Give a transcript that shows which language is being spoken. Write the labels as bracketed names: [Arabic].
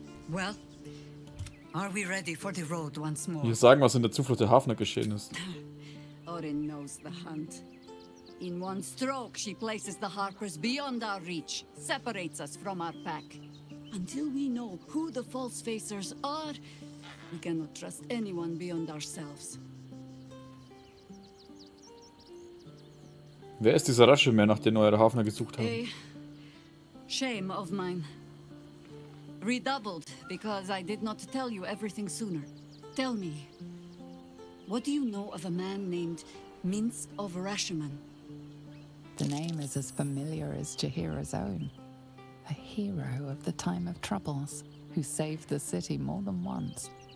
[English] Well, are we ready for the road once more? [German] Wir sagen, was in der Zuflucht der Hafner geschehen ist. [English] Orin knows the hunt. In one stroke, she places the Harpers beyond our reach, separates us from our pack. Until we know who the false facers are, we cannot trust anyone beyond ourselves. [German] Wer ist dieser Rashomar, nach dem eure Hafner gesucht haben? [English] A shame of mine. Redoubled, because I did not tell you everything sooner. Tell me, what do you know of a man named Minsk of Rashomon? The name is as familiar as Jahira's own. A hero of the time of troubles, who saved the city more than once.